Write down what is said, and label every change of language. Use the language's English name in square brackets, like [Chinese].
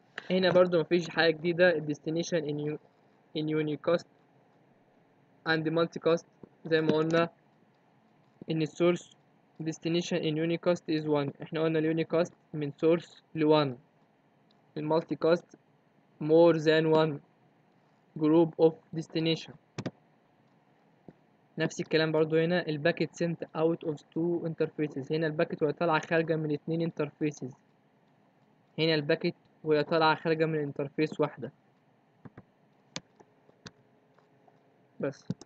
[Arabic] هنا برضو مفيش حاجه جديده، [English] الديستنيشن ان unicast and multicast [Arabic] زي ما قلنا، ان [English] السورس ديستنيشن ان unicast is 1. [Arabic] احنا قلنا اليوني كاست من سورس ل 1، المالتي كاست [English] more than one group of destination. [Arabic] نفس الكلام برضو هنا ال [English] packet sent out of two interfaces. [Arabic] هنا ال packet وهي طالعة خارجة من اتنين interfaces. هنا ال packet وهي طالعة خارجة من interface واحدة بس.